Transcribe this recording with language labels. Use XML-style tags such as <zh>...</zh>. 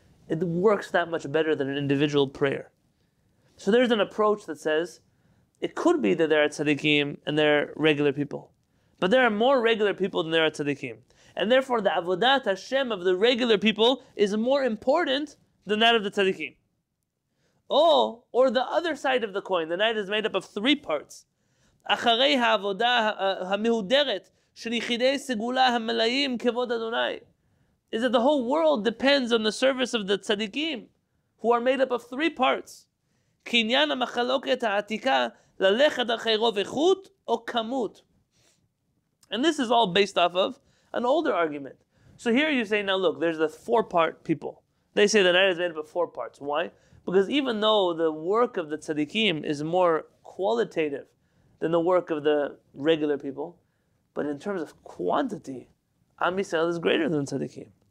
<en>It works that much better than an individual prayer. So there's an approach that says, it could be that there are tzaddikim and there are regular people. But there are more regular people than there are tzaddikim. And therefore the avodat Hashem of the regular people is more important than that of the tzaddikim. or the other side of the coin. The night is made up of three parts.</en> <he>אחרי העבודה המהודרת של יחידי סגולה המלאים כבוד אדוני.</he> <en>Is that the whole world depends on the service of the tzaddikim, who are made up of three parts.</en> <he>קניין המחלוקת העתיקה ללכת אחרי רוב איכות או כמות.</he> <en>And this is all based off of an older argument. So here you say, now look, there's the four-part people. They say the night is made up of four parts. Why? Because even though the work of the tzaddikim is more qualitative than the work of the regular people, but in terms of quantity, Am Yisrael is greater than tzaddikim.</en>